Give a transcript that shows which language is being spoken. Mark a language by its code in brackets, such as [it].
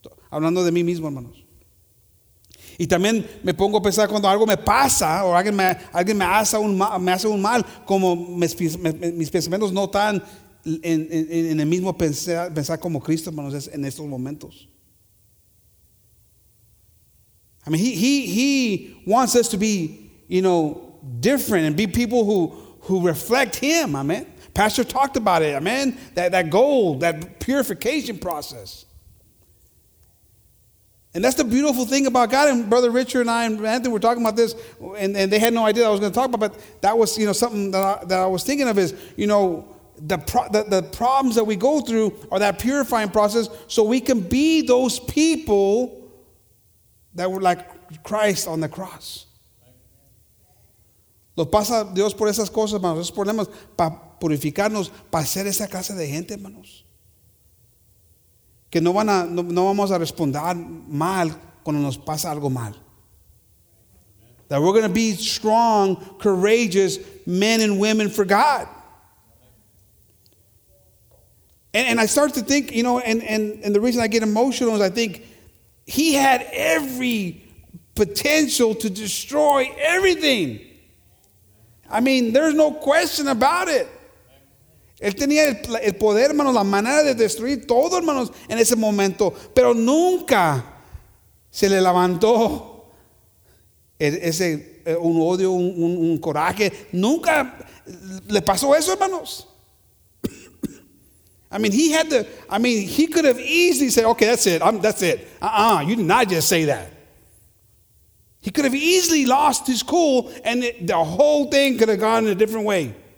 [es] Hablando de mí mismo, hermanos. Y también me pongo a pensar cuando algo me pasa o alguien me hace un mal, como mis pensamientos no están en el mismo pensar como Cristo, hermanos, es en estos momentos. [en] I mean, he wants us to be, you know, different and be people who reflect him, amén. Pastor talked about it, amen, that gold, that purification process. And that's the beautiful thing about God. And Brother Richard and I and Anthony were talking about this, and they had no idea I was going to talk about, but that was, you know, something that I was thinking of is, you know, the problems that we go through are that purifying process so we can be those people that were like Christ on the cross. [es] Lo pasa Dios por esas cosas, hermanos, esos problemas, para purificarnos, para ser esa clase de gente, hermanos. Que no vamos a responder mal cuando nos pasa algo mal. [en] That we're going to be strong, courageous men and women for God. And I start to think, you know, and the reason I get emotional is I think he had every potential to destroy everything. I mean, there's no question about it. [es] Él tenía el poder, hermanos, la manera de destruir todo, hermanos, en ese momento. Pero nunca se le levantó ese un odio, un coraje. Nunca le pasó eso, hermanos. [en] I mean, he could have easily said, okay, that's it. You did not just say that. He could have easily lost his cool, and the whole thing could have gone in a different way.